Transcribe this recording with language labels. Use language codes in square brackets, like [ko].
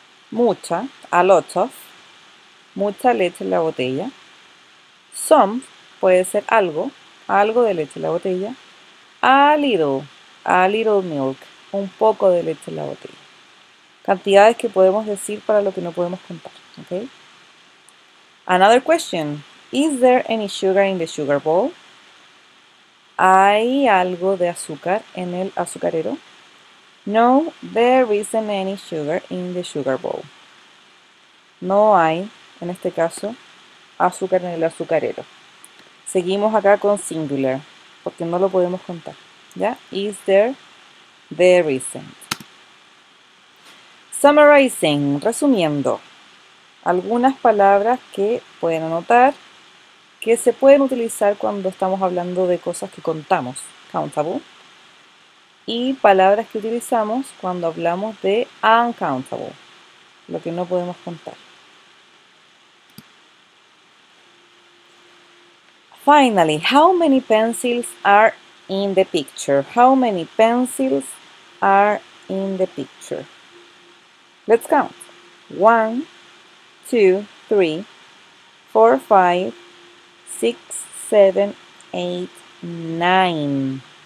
[es] Mucha, [en] a lot of, [es] mucha leche en la botella. Some puede ser algo de leche en la botella. [en] A little milk, [es] un poco de leche en la botella. Cantidades que podemos decir para lo que no podemos contar. [en] ¿Okay? Another question. Is there any sugar in the sugar bowl? [es] ¿Hay algo de azúcar en el azucarero? [en] No, there isn't any sugar in the sugar bowl. [es] No hay, en este caso, azúcar en el azucarero. Seguimos acá con singular, porque no lo podemos contar. ¿Ya? [en] Is there? There isn't. [es] Summarizing, resumiendo, algunas palabras que pueden anotar que se pueden utilizar cuando estamos hablando de cosas que contamos, countable, y palabras que utilizamos cuando hablamos de uncountable, lo que no podemos contar. [en] Finally, how many pencils are in the picture? How many pencils are in the picture? Let's count. 1, 2, 3, 4, 5, 6, 7, 8, 9.